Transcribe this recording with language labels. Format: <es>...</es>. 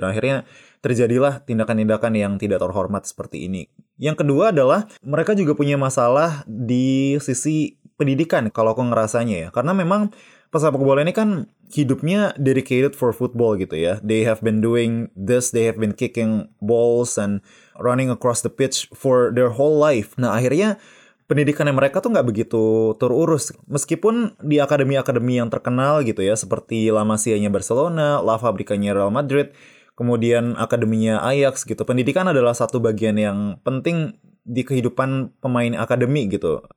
<id>Dan akhirnya terjadilah tindakan-tindakan yang tidak terhormat seperti ini. Yang kedua adalah mereka juga punya masalah di sisi pendidikan kalau aku ngerasanya ya. Karena memang pesepak bola ini kan hidupnya</id> <en>dedicated for football</en> <id>gitu ya.</id> <en>They have been doing this, they have been kicking balls and running across the pitch for their whole life.</en> <id>Nah akhirnya pendidikannya mereka tuh nggak begitu terurus. Meskipun di akademi-akademi yang terkenal gitu ya, seperti La Masia-nya Barcelona, La Fabrica-nya Real Madrid, kemudian akademinya Ajax gitu, pendidikan adalah satu bagian yang penting di kehidupan pemain akademi gitu.</id>